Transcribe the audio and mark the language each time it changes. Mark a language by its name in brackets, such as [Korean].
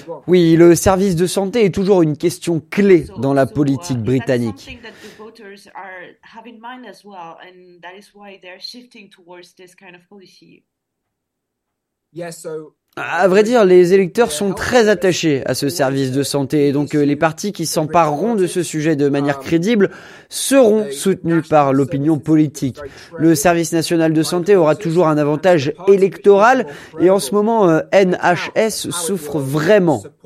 [French] Oui, le service de santé est toujours une question clé dans la politique britannique. [English] Voters are have in mind as well, and that is why they're shifting towards this kind of policy. [French] À vrai dire, les électeurs sont très attachés à ce service de santé et donc les partis qui s'empareront de ce sujet de manière crédible seront soutenus par l'opinion politique. Le service national de santé aura toujours un avantage électoral et en ce moment, NHS souffre vraiment.